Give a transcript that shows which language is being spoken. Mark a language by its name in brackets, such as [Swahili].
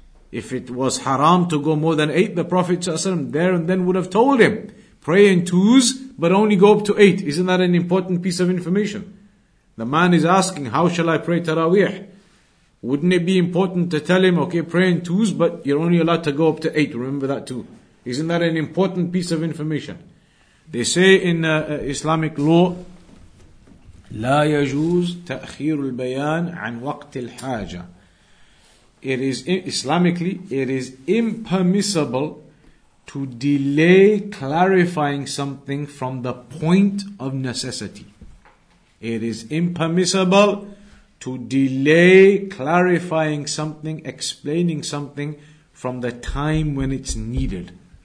[English] If it was haram to go more than 8, the Prophet ﷺ there and then would have told him, pray in twos, but only go up to 8. Isn't that an important piece of information? The man is asking, how shall I pray taraweeh? Wouldn't it be important to tell him, okay, pray in twos, but you're only allowed to go up to 8. Remember that too. Isn't that an important piece of information? They say in Islamic law, [Arabic] لا يجوز تأخير البيان عن وقت الحاجة. [English] It is, Islamically, it is impermissible to delay clarifying something from the point of necessity. It is impermissible to delay clarifying something, explaining something from the time when it's needed.